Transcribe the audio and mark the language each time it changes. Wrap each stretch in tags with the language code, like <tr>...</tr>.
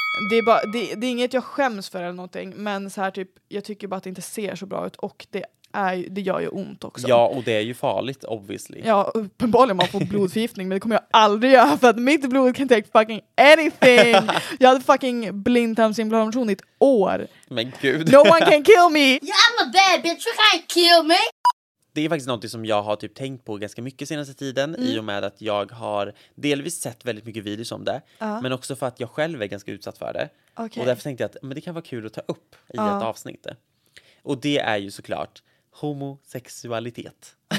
<sv>Det är, bara, det är inget jag skäms för eller någonting. Men så här typ, jag tycker bara att det inte ser så bra ut. Och det gör ju ont också. Ja, och det är ju farligt, obviously. Ja, uppenbarligen man får blodförgiftning. Men det kommer jag aldrig göra. För att mitt blod kan</sv> <en>take fucking anything.</en> <sv>Jag hade fucking blindtarmsinflammation i ett år. Men gud.</sv> <en>No one can kill me. Yeah, I'm a bad bitch, you can't kill me.</en> <sv>Det är faktiskt något som jag har typ tänkt på ganska mycket senaste tiden. Mm. I och med att jag har delvis sett väldigt mycket videos om det. Men också för att jag själv är ganska utsatt för det.</sv> <en>Okay.</en> <sv>Och därför tänkte jag att men det kan vara kul att ta upp i ett avsnitt. Och det är ju såklart homosexualitet.</sv>